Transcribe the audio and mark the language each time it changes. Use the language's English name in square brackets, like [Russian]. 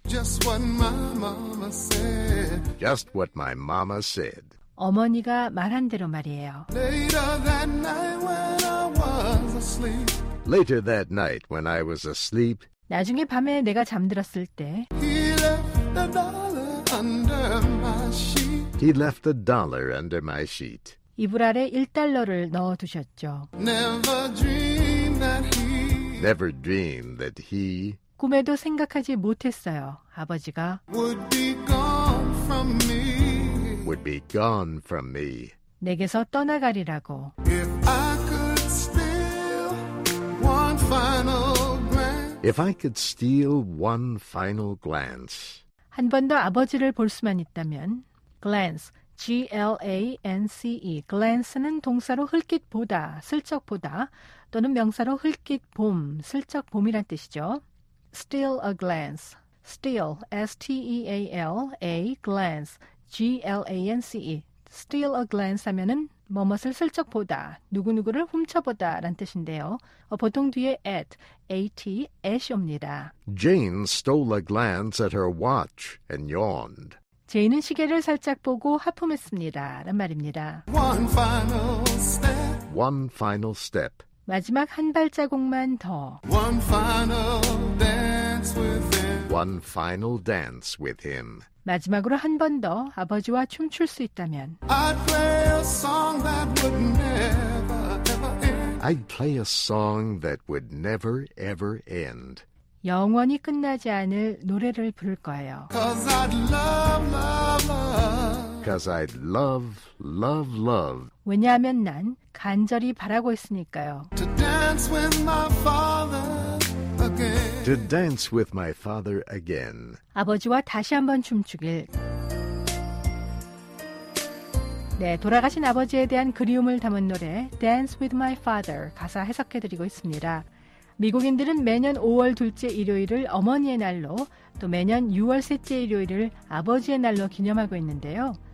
[English] Just what my mama said. Just what my mama said. [Korean] 어머니가 말한 대로 말이에요. [English] Later that night when I was asleep. Later that night when I was asleep. [Korean] 나중에 밤에 내가 잠들었을 때. [English] He left a dollar under my sheet. He left a dollar under my sheet. [Korean] 이불 아래 1달러를 넣어 두셨죠. [English] Never dreamed that he. Never dreamed that he. [Korean] 꿈에도 생각하지 못했어요. 아버지가 [English] would be gone from me. Would be gone from me. [Korean] 내게서 떠나가리라고. [English] If I could steal one final glance. If I could steal one final glance. [Korean] 한 번 더 아버지를 볼 수만 있다면. [English] Glance, G-L-A-N-C-E. [Korean] Glance는 동사로 흘낏 보다, 슬쩍 보다, 또는 명사로 흘낏 봄, 슬쩍 봄이란 뜻이죠. [English] Steal a glance. Steal, S-T-E-A-L, a glance, G-L-A-N-C-E. [Korean] Steal a glance 하면은 무엇을 슬쩍 보다, 누구누구를 훔쳐보다 라는 뜻인데요. 보통 뒤에 at, A-T, at이 옵니다. [English] Jane stole a glance at her watch and yawned. [Korean] 제인은 시계를 살짝 보고 하품했습니다. 라는 말입니다. [English] One final step. One final step. [Korean] 마지막 한 발자국만 더. [English] One final dance with him. One final dance with him. [Korean] 마지막으로 한 번 더 아버지와 춤출 수 있다면. [English] I'd play a song that would never ever end. I'd play a song that would never ever end. [Korean] 영원히 끝나지 않을 노래를 부를 거예요. [English] 'Cause I'd love, love, love. 'Cause I'd love, love, love. [Korean] 왜냐하면 난 간절히 바라고 있으니까요. [English] To dance with my father again. To dance with my father again. [Korean] 아버지와 다시 한번 춤추길. 네, 돌아가신 아버지에 대한 그리움을 담은 노래 Dance with my father 가사 해석해드리고 있습니다. 미국인들은 매년 5월 둘째 일요일을 어머니의 날로 또 매년 6월 셋째 일요일을 아버지의 날로 기념하고 있는데요.